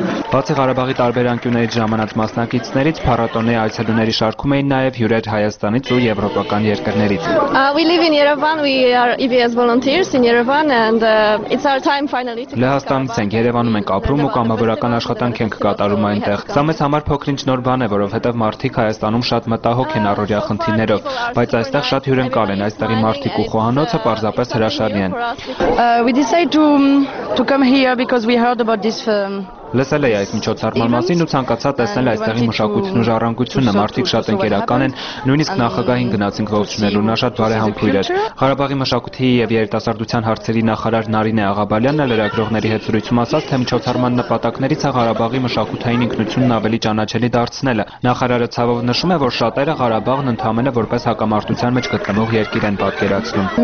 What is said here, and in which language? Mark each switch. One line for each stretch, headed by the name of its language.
Armenian: Բացի Ղարաբաղի տարբեր անկյուններից ժամանած մասնակիցներից, փառատոնի այցելուների շարքում էին նաև հյուրեր Հայաստանից ու եվրոպական երկրներից։
English: We live in Yerevan, we are EBS volunteers in Yerevan and it's our time finally to
Armenian: Լեհաստանից ենք Երևանում ենք ապրում ու կամավորական աշխատանք ենք կատարում այնտեղ։ Սա մեզ համար փոքրինչ նոր բան է, որովհետև մարդիկ Հայաստանում շատ մտահոգ են առօրյա խնդիրներով, բայց այստեղ շատ հյուրընկալ են, այստեղի մարդիկ ու խոհանոցը պարզապես հրաշալի են։
English: We decided to come here because we heard about this
Armenian: Լսել էի այս միջոցառման մասին ու ցանկացա տեսնել այստեղի մշակույթն ու ժառանգությունը, մարդիկ շատ ընկերական են, նույնիսկ նախագահին գնացինք ողջունելու, նա շատ բարեհամբույր էր։ Ղարաբաղի մշակույթի և երիտասարդության հարցերի նախարար Նարինե Աղաբալյանը լրագրողների հետ զրույցում ասաց, թե միջոցառման նպատակներից է Ղարաբաղի մշակութային ինքնությունն ավելի ճանաչելի դարձնելը։ Նախարարը ցավով նշում է, որ շատերը Ղարաբաղն ընդհանրապես որպես հակամարտության մեջ գտնվող երկիր են պատկերացնում։